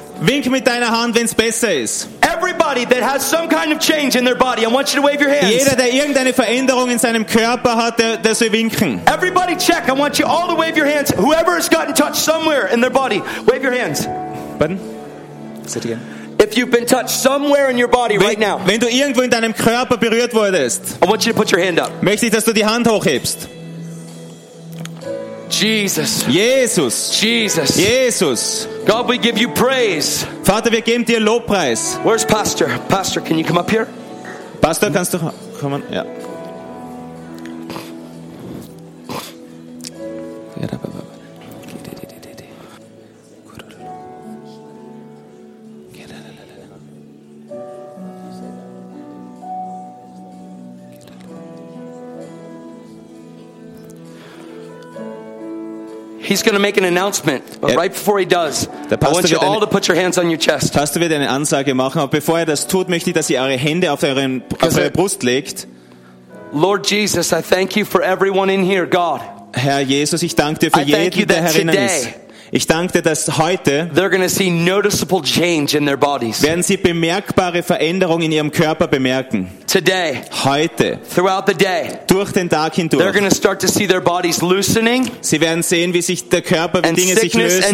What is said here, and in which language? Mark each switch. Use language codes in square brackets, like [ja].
[de] Wink mit deiner Hand, wenn es besser ist. [en] Everybody that has some kind of change in their body, I want you to wave your hands. [de] Jeder, der irgendeine Veränderung in seinem Körper hat, der soll winken. [en] Everybody check. I want you all to wave your hands. Whoever has gotten touched somewhere in their body, wave your hands. Pardon? Say it again. If you've been touched somewhere in your body right now. [de] Wenn du irgendwo in deinem Körper berührt wurdest. [en] I want you to put your hand up. [de] Möchte ich, dass du die Hand hochhebst. [en] Jesus. Jesus. Jesus. Jesus. God, we give you praise. [de] Vater, wir geben dir Lobpreis. [en] Where's Pastor? Pastor, can you come up here? [de] Pastor, kannst du kommen? Ja. [en] He's going to make an announcement, but right before he does, I want you all to put your hands on your chest. [de] Pastor wird eine Ansage machen, aber bevor er das tut, möchte ich, dass ihr eure Hände auf eure Brust legt. [en] Lord Jesus, I thank you for everyone in here, God. [de] Herr Jesus, ich danke dir für jeden, der herinnen ist. Ich danke dir, dass heute [en] they're going to see noticeable change in their bodies. [de] Werden sie bemerkbare Veränderungen in ihrem Körper bemerken. [en] Today, [de] heute, [en] throughout the day, [de] durch den Tag hindurch, [en] they're going to start to see their bodies loosening. [de] Sie werden sehen, wie sich der Körper, wie Dinge sich lösen,